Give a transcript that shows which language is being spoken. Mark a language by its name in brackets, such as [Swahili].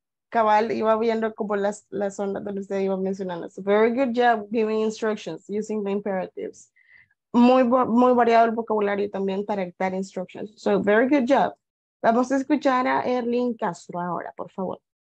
[Spanish] Cabal iba viendo como las ondas donde usted iba mencionando. [English] So very good job giving instructions using the imperatives. [Spanish] Muy, muy variado el vocabulario también para dar instructions. [English] So very good job. [Spanish] Vamos a escuchar a Erlín Castro ahora, por favor.